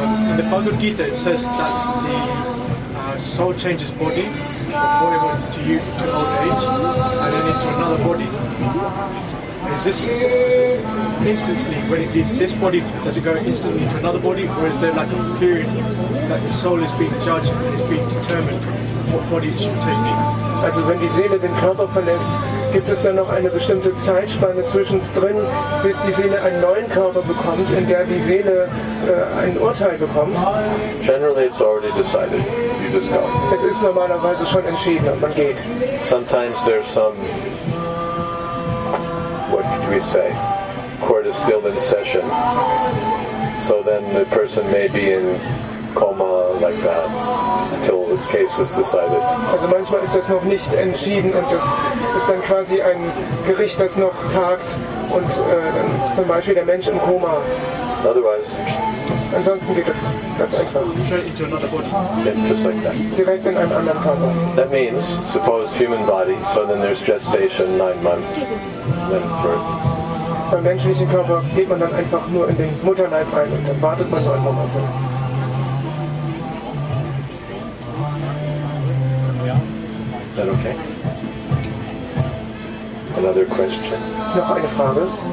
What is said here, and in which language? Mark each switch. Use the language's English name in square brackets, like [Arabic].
[English] In the Bhagavad Gita, it says that the soul changes body from whatever to youth to old age, and then into another body. Is this instantly, when it leaves this body, does it go instantly to another body, or is there like a period that the soul is being judged, is being determined what body it should take? [German] Also wenn die Seele den Körper verlässt, gibt es dann noch eine bestimmte Zeitspanne zwischendrin, bis die Seele einen neuen Körper bekommt, in der die Seele ein Urteil bekommt? [English] Generally it's already decided. You just go. [German] Es ist normalerweise schon entschieden und man geht. [English] Sometimes there's some, what could we say, court is still in session. So then the person may be in coma like that. Case is decided. [German] Also manchmal ist das noch nicht entschieden und das ist dann quasi ein Gericht, das noch tagt und dann ist zum Beispiel der Mensch im Koma. [English] Otherwise, [German] Ansonsten geht es ganz einfach. [English] Into another body. Yeah, just like that. [German] Direkt in einem anderen Körper. [English] That means, suppose human body, so then there's gestation 9 months, then birth. [German] Beim menschlichen Körper geht man dann einfach nur in den Mutterleib rein und dann wartet man 9 Monate. [English] Is that okay? Another question. [German] Noch eine Frage.